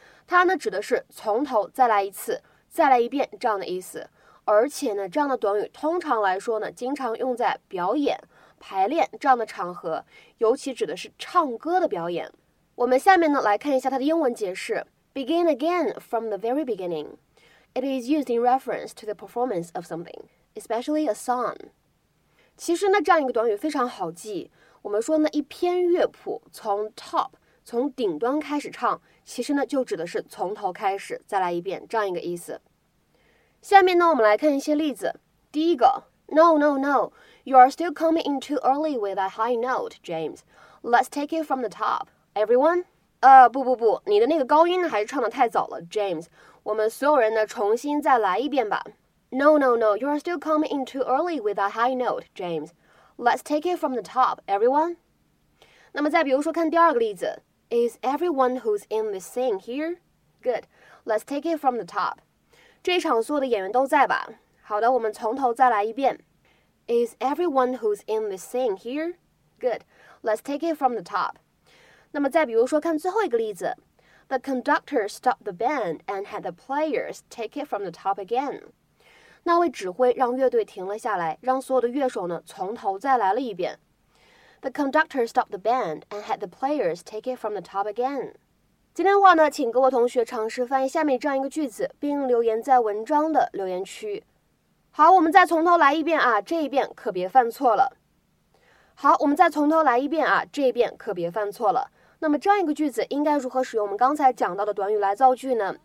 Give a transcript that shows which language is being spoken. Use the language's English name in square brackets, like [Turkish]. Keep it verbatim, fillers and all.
[Chinese] 它呢指的是从头再来一次，再来一遍这样的意思。而且呢，这样的短语通常来说呢，经常用在表演排练这样的场合，尤其指的是唱歌的表演。我们下面呢来看一下它的英文解释 [English] begin again from the very beginning. It is used in reference to the performance of something, especially a song. [Chinese] 其实呢这样一个短语非常好记，我们说呢一篇乐谱从 top 从顶端开始唱，其实呢就指的是从头开始再来一遍这样一个意思。下面呢我们来看一些例子。第一个 [English] No, no, no. You are still coming in too early with that high note, James. Let's take it from the top, everyone. [Chinese] 呃，不不不，你的那个高音呢还是唱得太早了 ，James. 我们所有人呢重新再来一遍吧。 [English] No, no, no. You are still coming in too early with that high note, James. Let's take it from the top, everyone. [Chinese] 那么再比如说看第二个例子 [English] ，Is everyone who's in this scene here? Good. Let's take it from the top. [Chinese] 这一场所有的演员都在吧？好的，我们从头再来一遍。 [English] Is everyone who's in this scene here? Good. Let's take it from the top. [Chinese] 那么再比如说看最后一个例子。 [English] The conductor stopped the band and had the players take it from the top again. [Chinese] 那位指挥让乐队停了下来，让所有的乐手呢从头再来了一遍。 [English] The conductor stopped the band and had the players take it from the top again. [Chinese] 今天的话呢，请各位同学尝试翻译下面这样一个句子，并留言在文章的留言区。好，我们再从头来一遍啊，这一遍可别犯错了。好，我们再从头来一遍啊，这一遍可别犯错了。那么这样一个句子应该如何使用我们刚才讲到的短语来造句呢？